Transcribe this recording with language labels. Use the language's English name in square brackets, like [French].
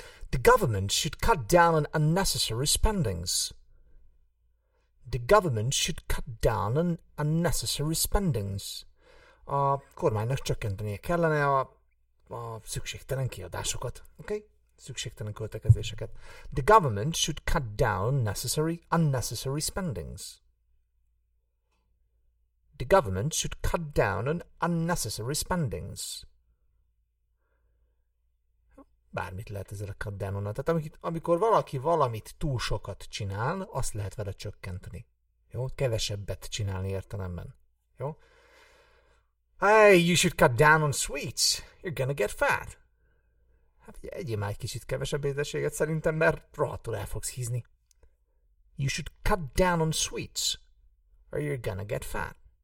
[English] The government should cut down on unnecessary spendings. The government should cut down on unnecessary spendings. [Hungarian] A kormánynak csökkentenie kellene a szükségtelen kiadásokat. Okay? Szükségtelen költekezéseket. [English] The government should cut down unnecessary spendings. The government should cut down on unnecessary spendings. [Hungarian] Bármit lehet ezzel a cut down-on. Tehát amikor valaki valamit túl sokat csinál, azt lehet vele csökkenteni. Jó? Kevesebbet csinálni értelemben. Jó? [English] Hey, you should cut down on sweets. You're gonna get fat. [Hungarian] Hát ugye egyél már egy kicsit kevesebb édességet szerintem, mert rohadtul el fogsz hízni. [English] You should cut down on sweets, or you're gonna get fat.